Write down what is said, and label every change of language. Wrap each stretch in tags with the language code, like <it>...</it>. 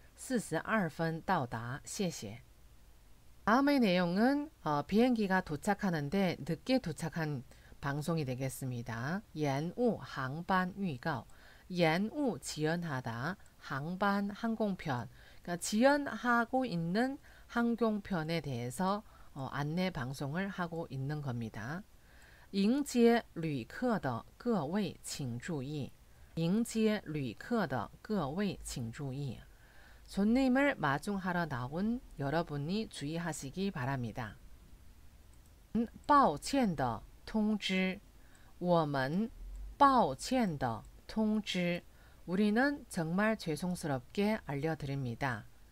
<zh>将于11:42到达，谢谢。迎接旅客的各位请注意，由广州飞来本站的CJ5327次航班将于11:42到达，谢谢。</zh> <ko>다음의 내용은 비행기가 도착하는데 늦게 도착한 방송이 되겠습니다. 延误 항반 위告, 延误 지연하다, 항반 항공편, 그러니까 지연하고 있는 항공편에 대해서 안내 방송을 하고 있는 겁니다.</ko> <zh>迎接旅客的各位请注意，迎接旅客的各位请注意。</zh> <ko>손님을 마중하러 나온 여러분이 주의하시기 바랍니다.</ko> <zh>抱歉的通知，我们抱歉的通知，</zh> <ko>우리는 정말 죄송스럽게 알려드립니다.</ko>